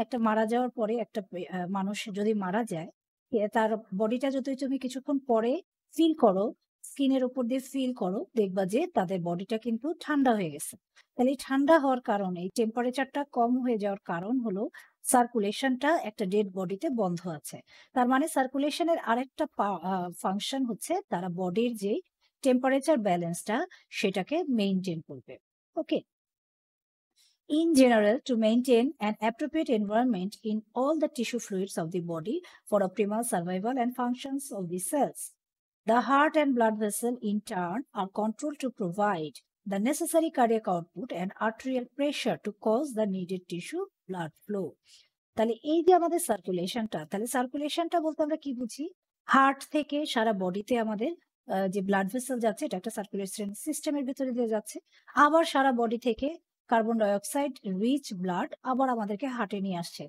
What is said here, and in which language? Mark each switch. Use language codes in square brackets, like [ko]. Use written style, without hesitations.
[bn] একটা মারা যাওয়ার পরে একটা মানুষ যদি মারা যায় তার বডিটা যদি তুমি কিছুক্ষণ পরে ফিল করো, স্কিনের উপর দিয়ে ফিল করো, দেখবা যে তাদের বডিটা কিন্তু ঠান্ডা হয়ে গেছে। তাহলে ঠান্ডা হওয়ার কারণে, টেম্পারেচারটা কম হয়ে যাওয়ার কারণ হলো সার্কুলেশনটা একটা ডেড বডিতে বন্ধ আছে। তার মানে সার্কুলেশনের আরেকটা ফাংশন হচ্ছে তারা বডির যে টেম্পারেচার ব্যালেন্সটা সেটাকে মেইনটেইন করবে। [en] Okay, in general to maintain an appropriate environment in all the tissue fluids of the body for optimal survival and functions of the cells, the heart and blood vessel in turn are controlled to provide the necessary cardiac output and arterial pressure to cause the needed tissue blood flow. [bn] তাহলে এই যে আমাদের সার্কুলেশনটা, তাহলে সার্কুলেশনটা বলতে আমরা কি বুঝি, heart থেকে সারা বডিতে আমাদের যে ব্লাড ভেসেল যাচ্ছে এটা একটা সার্কুলেশন সিস্টেমের ভিতরে দিয়ে যাচ্ছে, আবার সারা বডি থেকে কার্বন ডাইঅক্সাইড রিচ ব্লাড আবার আমাদেরকে হার্টে নিয়ে আসছে।